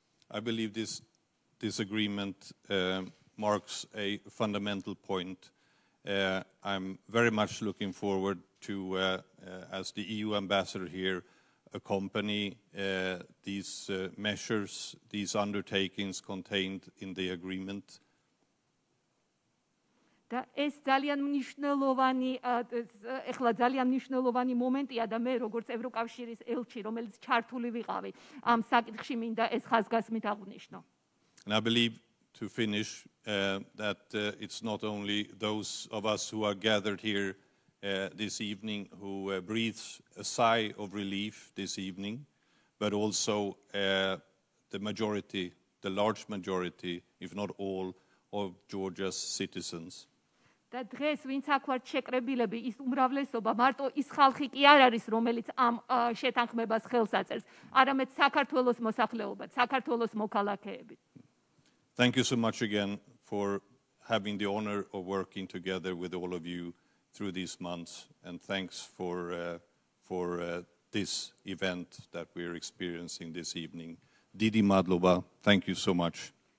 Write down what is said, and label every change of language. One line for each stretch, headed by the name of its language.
English: I believe this agreement marks a fundamental point. I'm very much looking forward to, as the EU ambassador here, accompany these measures, these undertakings contained in the agreement.
Georgian: Da es ძალიან მნიშვნელოვანი ეხლა ძალიან მნიშვნელოვანი მომენტია და მე როგორც ევროკავშირის ელჩი, რომელიც ჩართული ვიყავი ამ საკითხში, მინდა ეს ხაზგასმით აღვნიშნო.
English: And I believe to finish that it's not only those of us who are gathered here this evening who breathe a sigh of relief this evening, but also the majority, the large majority, if not all, of Georgia's citizens.
Georgian: და დღეს ვინც აქ ვართ შეკრებილები, ის უმრავლესობა მარტო ის ხალხი კი არ არის, რომელიც ამ შეთანხმებას ხელს აწერს, არამედ საქართველოს მოსახლეობა, საქართველოს მოქალაქეები.
English: Thank you so much again for having the honor of working together with all of you through these months, and thanks for this event that we are experiencing this evening.
Georgian: Didi madloba,
English: thank you so much.